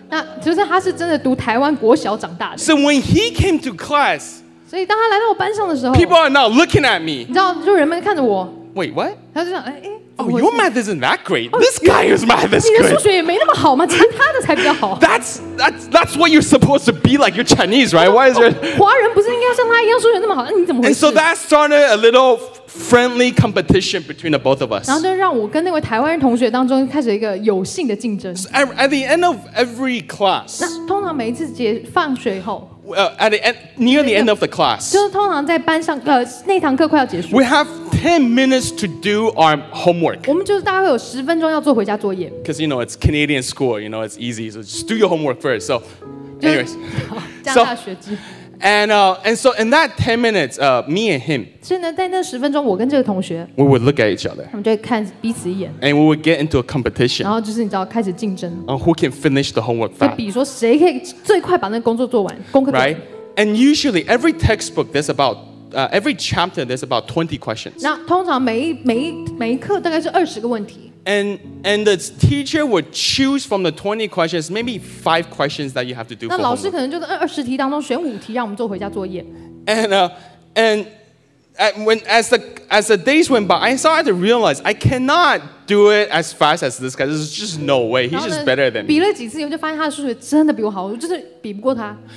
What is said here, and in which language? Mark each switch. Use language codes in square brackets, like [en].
[zh] 那就是他是真的读台湾国小长大的。 [en] So when he came to class， [zh] 所以当他来到我班上的时候 [en] ，people are now looking at me， [zh] 你知道就人们看着我。 [en] Wait, what? [zh] 他就想，哎哎， [en] Oh, your math isn't that great. This guy is math is great. [zh] 你的数学也没那么好吗？其他的才比较好。 [en] That's what you're supposed to be like. You're Chinese, right? Why is your [zh] 华人不是应该像他一样数学那么好？那你怎么回事 [en] ？And so that started a little friendly competition between the both of us. [zh] 然后就让我跟那位台湾人同学当中开始一个有性的竞争。 [en] At the end of every class. [zh] 那通常每一次结放学后。 [en] At the end, near the end of the class, [zh] 就是通常在班上，那堂课快要结束。 [en] We have 10 minutes to do our homework. [zh] 我们就是大概会有十分钟要做回家作业。 [en] Because you know it's Canadian school, you know it's easy, so just do your homework first. So, anyways, [zh] 加大学制。 [en] And so in that 10 minutes, me and him. [zh] 所以呢，在那十分钟，我跟这个同学 [en] ，we would look at each other. [zh] 我们就会看彼此一眼。 [en] And we would get into a competition. [zh] 然后就是你知道开始竞争。 [en] Who can finish the homework fast? [zh] 就比说谁可以最快把那个工作做完，功课做完。 [en] Right. And usually every textbook there's about, every chapter there's about 20 questions. [zh] 那通常每一课大概是20个问题。 [en] And the teacher would choose from the 20 questions, maybe 5 questions that you have to do. [zh] 那老师可能就在20题当中选5题让我们做回家作业。 [en] And as the days went by, I started to realize I cannot do it as fast as this guy. There's just no way. He's just better than me. [zh] 比了几次以后，就发现他的数学真的比我好，我就是比不过他。